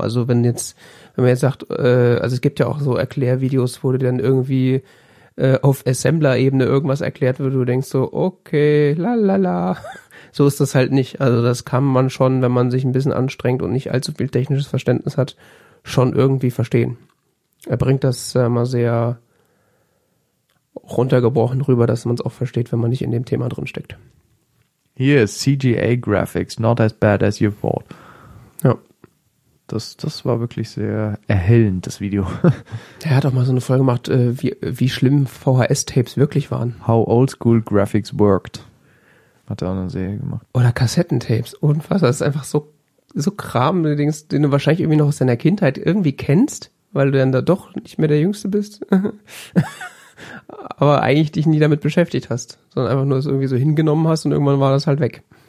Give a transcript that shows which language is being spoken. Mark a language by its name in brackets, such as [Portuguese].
[German] Also wenn man jetzt sagt, also es gibt ja auch so Erklärvideos, wo du dann irgendwie auf Assembler-Ebene irgendwas erklärt wird, du denkst so, okay, la la la. So ist das halt nicht. Also das kann man schon, wenn man sich ein bisschen anstrengt und nicht allzu viel technisches Verständnis hat, schon irgendwie verstehen. Er bringt das mal sehr runtergebrochen rüber, dass man es auch versteht, wenn man nicht in dem Thema drin steckt. Hier ist [English] CGA Graphics, not as bad as you thought. [German] Ja. Das war wirklich sehr erhellend, das Video. Er hat auch mal so eine Folge gemacht, wie schlimm VHS-Tapes wirklich waren. [English] How old school graphics worked. [German] Hat er auch eine Serie gemacht. Oder Kassettentapes. Und was? Das ist einfach so Kram, den du wahrscheinlich irgendwie noch aus deiner Kindheit irgendwie kennst, weil du dann da doch nicht mehr der Jüngste bist. Aber eigentlich dich nie damit beschäftigt hast, sondern einfach nur es irgendwie so hingenommen hast und irgendwann war das halt weg.